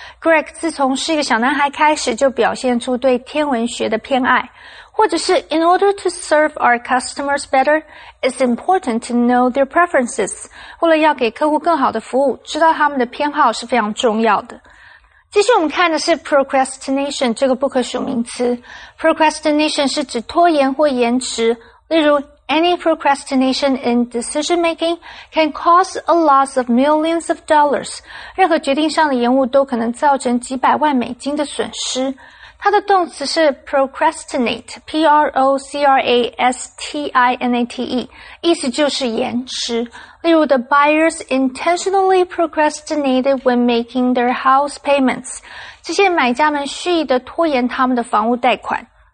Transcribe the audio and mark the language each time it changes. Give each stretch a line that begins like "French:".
Chinese: Greg 自从是一个小男孩开始就表现出对天文学的偏爱。或者是
English: in order to serve our customers better, it's important to know their preferences.
Chinese: 为了要给客户更好的服务，知道他们的偏好是非常重要的。接下来我们看的是 procrastination 这个不可数名词。
English: Procrastination
Chinese: 是指拖延或延迟。例如
English: any procrastination in decision making can cause a loss of millions of dollars.
Chinese: 任何决定上的延误都可能造成几百万美金的损失。它的动词是 procrastinate, P-R-O-C-R-A-S-T-I-N-A-T-E, 意思就是延迟。例如
English: the buyers intentionally procrastinated when making their house payments.
Chinese: 这些买家们蓄意地拖延他们的房屋贷款。